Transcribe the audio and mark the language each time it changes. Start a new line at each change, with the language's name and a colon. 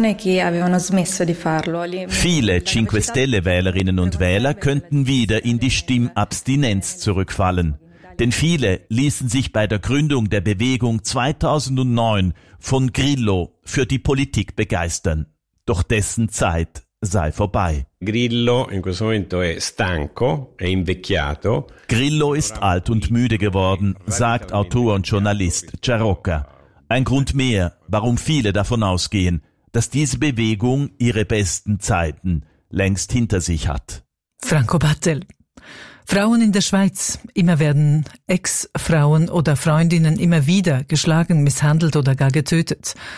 German: Viele 5 Stelle Wählerinnen und Wähler könnten wieder in die Stimmabstinenz zurückfallen. Denn viele ließen sich bei der Gründung der Bewegung 2009 von Grillo für die Politik begeistern. Doch dessen Zeit sei vorbei.
Italian: Grillo in questo momento è stanco, è invecchiato.
German: Grillo ist alt und müde geworden, sagt Autor und Journalist Giarocca. Ein Grund mehr, warum viele davon ausgehen, dass diese Bewegung ihre besten Zeiten längst hinter sich hat. Franco Battel. Frauen in der Schweiz, immer werden Ex-Frauen oder Freundinnen immer wieder geschlagen, misshandelt oder gar getötet.